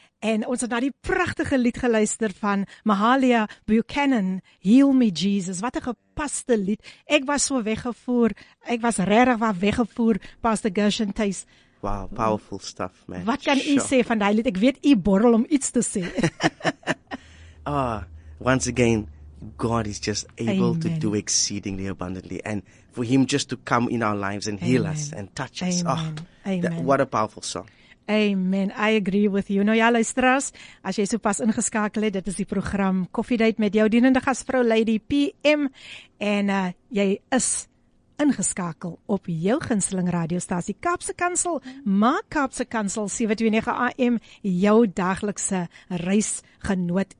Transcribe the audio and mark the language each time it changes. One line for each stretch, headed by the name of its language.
Afrikaans: En ons het na die pragtige lied geluister van Mahalia Buchanan, Heal Me Jesus. Wat 'n gepaste lied. Ek was so weggevoer. Ek was regtig wat weggevoer, Pastor Gershon Thuis.
English: Wow, powerful stuff, man.
Afrikaans: Wat kan u sê van die lied? Ek weet u borrel om iets te sê.
English: Oh, once again, God is just able Amen. To do exceedingly abundantly. And for him just to come in our lives and heal Amen. Us and touch us. Amen. Oh, Amen. What a powerful song. Amen. I agree with you.
Afrikaans: Nou ja, luisteraars, as jy so pas ingeskakel het, dit is die program Koffiedייט met jou dienende gasvrou Lady PM. En jy is ingeskakel op jou gunsteling radiostasie Kaapse Kansel. Maak Kaapse Kansel 729 AM jou daglikse reisgenoot.